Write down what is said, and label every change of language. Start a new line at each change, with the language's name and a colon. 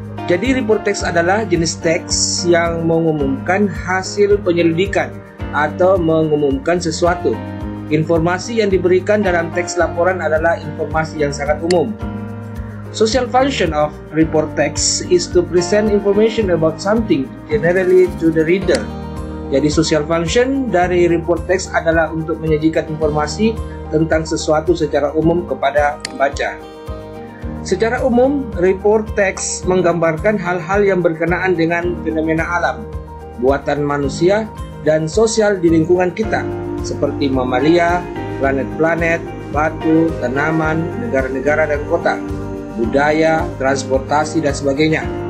Indonesian: Jadi report text adalah jenis teks yang mengumumkan hasil penyelidikan atau mengumumkan sesuatu. Informasi yang diberikan dalam teks laporan adalah informasi yang sangat umum.
English: Social function of report text is to present information about something generally to the reader.
Indonesian: Jadi social function dari report text adalah untuk menyajikan informasi tentang sesuatu secara umum kepada pembaca. Secara umum, report text menggambarkan hal-hal yang berkenaan dengan fenomena alam, buatan manusia, dan sosial di lingkungan kita, seperti mamalia, planet-planet, batu, tanaman, negara-negara dan kota, budaya, transportasi, dan sebagainya.